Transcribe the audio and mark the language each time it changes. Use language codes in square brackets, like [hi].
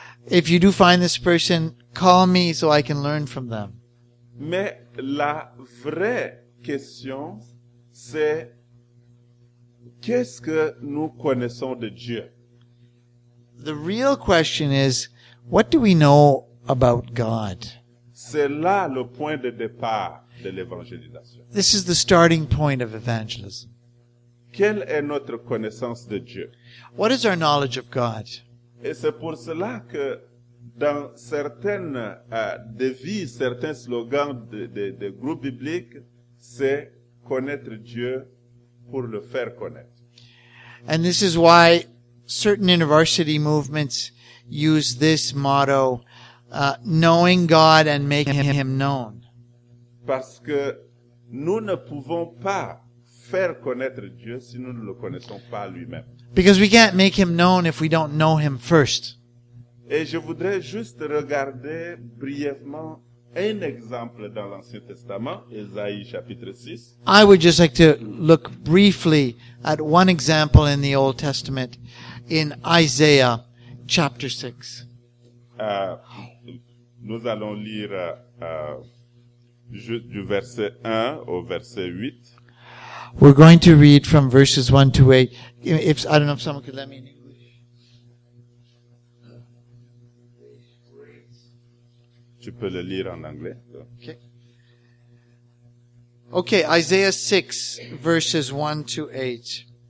[en] If you do find this person, call me so I can learn from them. [fr] Mais la vraie question, c'est qu'est-ce que nous connaissons de Dieu? [en] The real question is, what do we know about God? [fr] C'est là le point de départ de l'évangélisation. [en] This is the starting point of evangelism. [fr] Quelle est notre connaissance de Dieu? [en] What is our knowledge of God? [fr] Et c'est pour cela que dans certaines devises, certains slogans de groupes bibliques, c'est connaître Dieu pour le faire connaître. [en] And this is why certain university movements use this motto, knowing God and making him known. [fr] Parce que nous ne pouvons pas faire connaître Dieu si nous ne le connaissons pas lui-même. [en] Because we can't make him known if we don't know him first. [fr] Et je voudrais juste regarder brièvement un exemple dans l'Ancien Testament, Ésaïe chapitre 6. [en] I would just like to look briefly at one example in the Old Testament, in Isaiah chapter 6. [fr] Nous allons lire juste du verset 1 au verset 8. [en] We're going to read from verses 1 to 8. If, I don't know if someone could let me in English. [fr] Tu peux le lire en anglais. [en] Okay. Okay, Isaiah 6, verses 1 to 8.